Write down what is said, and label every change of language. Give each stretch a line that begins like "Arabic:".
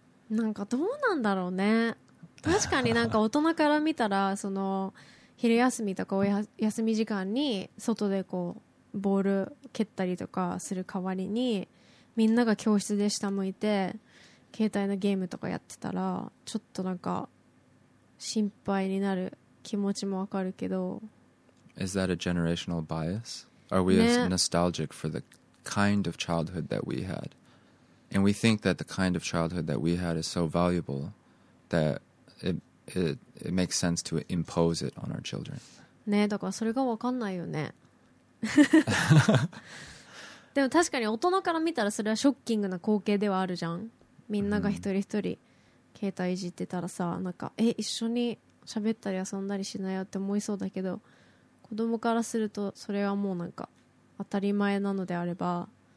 Japanese: なんかどうなんだろうね。確かになんか大人から見たらその昼休みとかお休み時間に外でこうボール蹴ったりとかする代わりに、みんなが教室で下向いて携帯のゲームとかやってたらちょっとなんか心配になる気持ちもわかるけど。
English: Is that a generational bias? Are we、ね、as nostalgic for the kind of childhood that we had? And we think that the kind of childhood that we had is so valuable that it makes sense to impose it on our children.
Japanese: ね、だからそれが分かんないよね。でも確かに大人から見たらそれはショッキングな光景ではあるじゃん。みんなが一人一人携帯いじってたらさ、なんか一緒に喋ったり遊んだりしないよって思いそうだけど、子供からするとそれはもうなんか当たり前なのであれば。